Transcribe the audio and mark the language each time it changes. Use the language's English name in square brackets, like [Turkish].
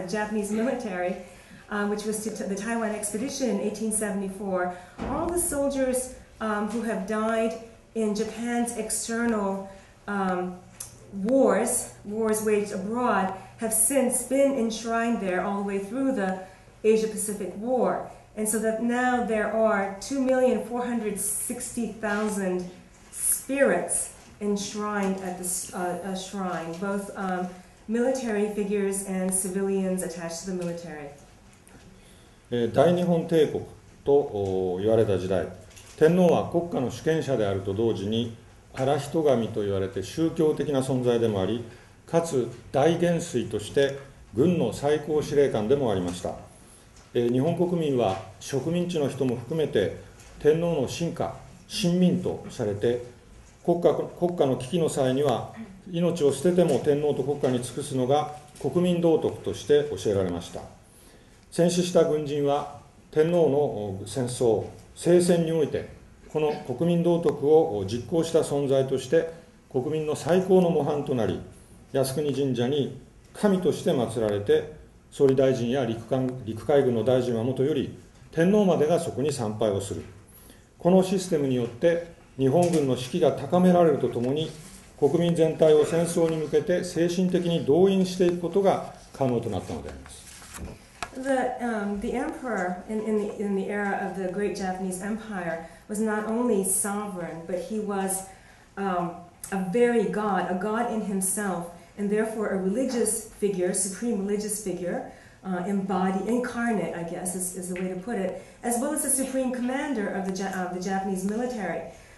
[English] Japanese military, which was the Taiwan Expedition in 1874, all the soldiers who have died in Japan's external wars waged abroad, have since been enshrined there all the way through the Asia-Pacific War. And so that now there are 2,460,000 spirits enshrined at the shrine, both military figures and civilians attached to the military. [Japanese] 大日本帝国と言われた時代、天皇は国家の主権者であると同時に荒人神と言われて宗教的な存在でもあり、かつ大元帥として軍の最高司令官でもありました。日本国民は植民地の人も含めて天皇の臣下、臣民とされて、国家の危機の際には命を捨てても天皇と国家に尽くすのが国民道徳として教えられました。戦死した軍人は天皇の戦争、聖戦においてこの国民道徳を実行した存在として国民の最高の模範となり、靖国神社に神として祀られて、総理大臣や陸海軍の大臣はもとより天皇までがそこに参拝をする。このシステムによって日本軍の士気が高められるとともに、国民全体を戦争に向けて精神的に動員していくことが可能となったのであります。 [English] The emperor in the era of the great Japanese Empire was not only sovereign, but he was a very god, a god in himself, and therefore a religious figure, supreme religious figure, incarnate, I guess, is the way to put it, as well as the supreme commander of the Japanese military.